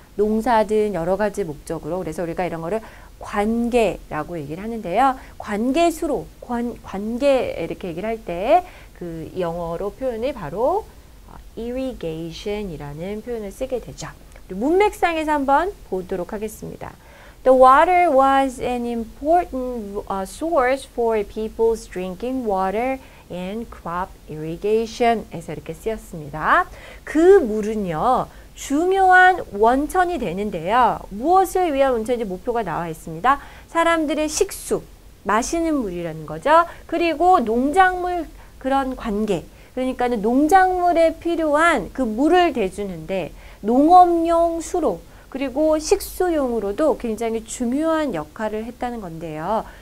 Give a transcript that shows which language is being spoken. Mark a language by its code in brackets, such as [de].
[ko] 농사든 여러 가지 목적으로. 그래서 우리가 이런 거를 관계라고 얘기를 하는데요. 관계수로, 관계 이렇게 얘기를 할 때 그 영어로 표현이 바로 irrigation이라는 표현을 쓰게 되죠. 문맥상에서 한번 보도록 하겠습니다. [en] The water was an important source for people's drinking water and crop irrigation [ko] 에서 이렇게 쓰였습니다. 그 물은요, 중요한 원천이 되는데요. 무엇을 위한 원천인지 목표가 나와 있습니다. 사람들의 식수, 마시는 물이라는 거죠. 그리고 농작물 그런 관계, 그러니까 농작물에 필요한 그 물을 대주는데 농업용 수로 그리고 식수용으로도 굉장히 중요한 역할을 했다는 건데요.